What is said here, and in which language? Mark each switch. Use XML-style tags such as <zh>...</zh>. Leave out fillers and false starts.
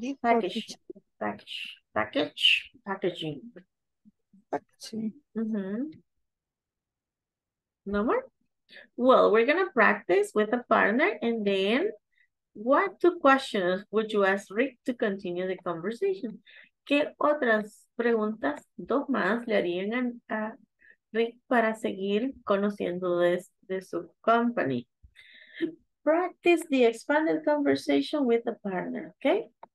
<en>Package. Packaging. Packaging. No more? Well, we're going to practice with a partner and then. What two questions would you ask Rick to continue the conversation?</en> <es>¿Qué otras preguntas, dos más, le harían a Rick para seguir conociendo de su company?</es> <en>Practice the expanded conversation with a partner, okay?</en>